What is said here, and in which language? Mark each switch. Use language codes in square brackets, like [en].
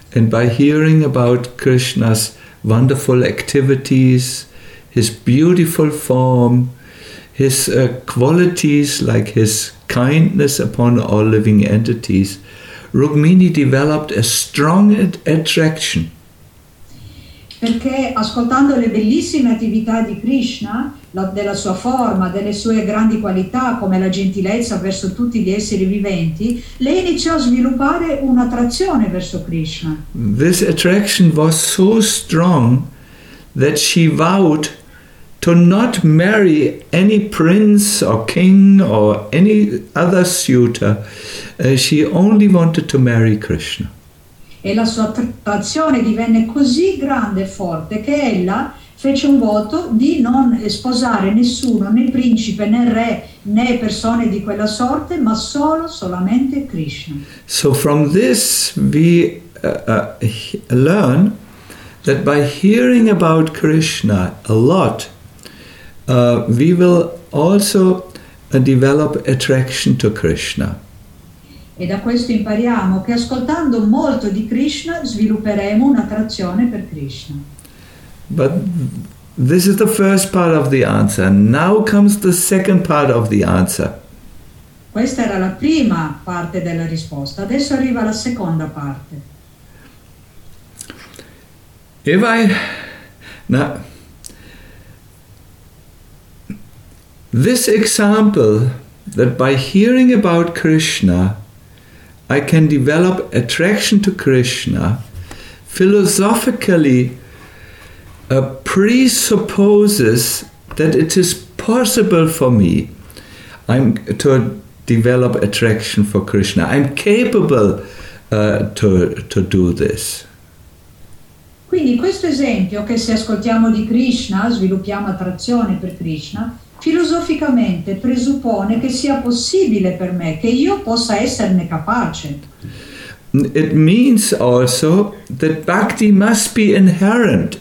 [en] And by hearing about Krishna's wonderful activities, his beautiful form, his qualities like his kindness upon all living entities, Rukmini developed a strong attraction. [it] Perché ascoltando le bellissime attività di Krishna, della sua forma, delle sue grandi qualità, come la gentilezza verso tutti gli esseri viventi, lei iniziò a sviluppare un'attrazione verso Krishna. [en] This attraction was so strong that she vowed to not marry any prince or king or any other suitor. She only wanted to marry Krishna. [it] E la sua attrazione divenne così grande e forte che ella fece un voto di non sposare nessuno, né principe, né re, né persone di quella sorte, ma solamente Krishna. [en] So from this we learn that by hearing about Krishna a lot, we will also develop attraction to Krishna. [it] E da questo impariamo che ascoltando molto di Krishna svilupperemo un'attrazione per Krishna. [en] But this is the first part of the answer. Now comes the second part of the answer. [it] Questa era la prima parte della risposta. Adesso arriva la seconda parte. [en] This example that by hearing about Krishna I can develop attraction to Krishna philosophically presupposes that it is possible for me to develop attraction for Krishna. I'm capable to do this. [it] Quindi questo esempio che se ascoltiamo di Krishna sviluppiamo attrazione per Krishna filosoficamente presuppone che sia possibile per me, che io possa esserne capace. [en] It means also that bhakti must be inherent.